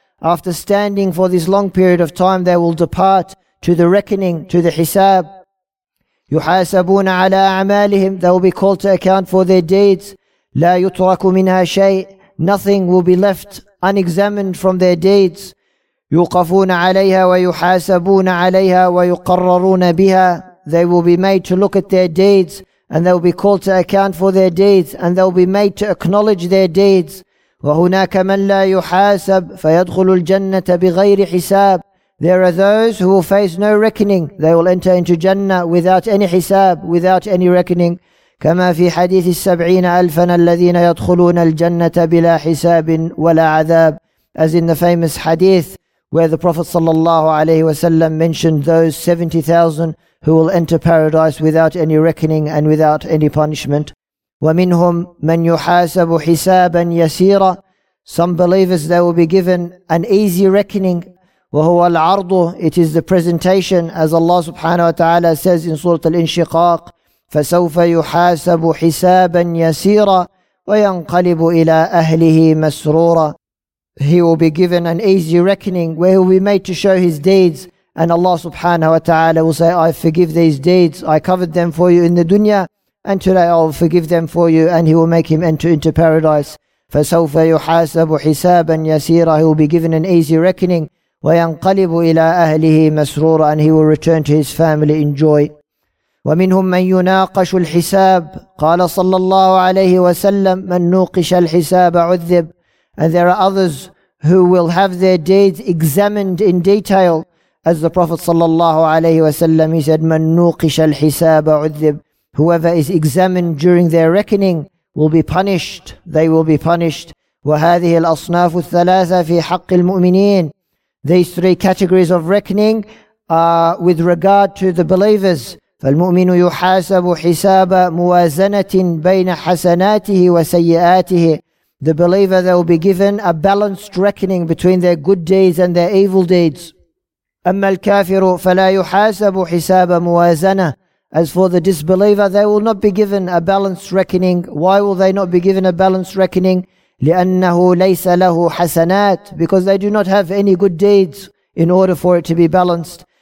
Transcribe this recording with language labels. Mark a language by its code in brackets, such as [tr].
[en] After standing for this long period of time, they will depart to the reckoning, to the hisab. [ar] يحاسبون على أعمالهم. [en] They will be called to account for their deeds. [ar] لا يترك منها شيء. [en] Nothing will be left unexamined from their deeds. [ar] يوقفون عليها ويحاسبون عليها ويقررون بها. [en] They will be made to look at their deeds and they will be called to account for their deeds and they will be made to acknowledge their deeds. [ar] وهناك من لا يحاسب فيدخل الجنة بغير حساب. [en] There are those who will face no reckoning. They will enter into Jannah without any hisab, without any reckoning. [ar] كما في حديث 70,000 الذين يدخلون الجنة بلا حساب ولا عذاب. [en] As in the famous hadith where the Prophet sallallahu alaihi wasallam mentioned those 70,000 who will enter paradise without any reckoning and without any punishment. [ar] ومنهم من يحاسب حسابا يسيرا. [en] Some believers, they will be given an easy reckoning. [ar] وهو العرض, [en] it is the presentation, as Allah subhanahu wa ta'ala says in Surah Al-Inshiqaq, [ar] فَسَوْفَ يُحَاسَبُ حِسَابًا يَسِيرًا وَيَنْقَلِبُ إِلَىٰ أَهْلِهِ مَسْرُورًا. [en] He will be given an easy reckoning where he will be made to show his deeds and Allah subhanahu wa ta'ala will say, I forgive these deeds, I covered them for you in the dunya and today I will forgive them for you and he will make him enter into paradise. [ar] فَسَوْفَ يُحَاسَبُ حِسَابًا يَسِيرًا. [en] He will be given an easy reckoning. [ar] وينقلب إلى أهله مسرورا, [en] and he will return to his family in joy. [ar] ومنهم من يناقش الحساب. قال صلى الله عليه وسلم من نوقش الحساب عذب. [en] And there are others who will have their deeds examined in detail, as the Prophet صلى الله عليه وسلم, he said, [ar] من نوقش الحساب عذب. [en] Whoever is examined during their reckoning will be punished. They will be punished. [ar] وهذه الأصناف الثلاثة في حق المؤمنين. [en] These three categories of reckoning are with regard to the believers. [ar] فالمؤمن يحاسب حساب موازنة بين حسناته وسيئاته. [en] The believer, they will be given a balanced reckoning between their good deeds and their evil deeds. [ar] أما الكافر فلا يحاسب حساب موازنة. [en] As for the disbeliever, they will not be given a balanced reckoning. Why will they not be given a balanced reckoning? [ar] لأنه ليس له حسنات. [en] Because they do not have any good deeds in order for it to be balanced.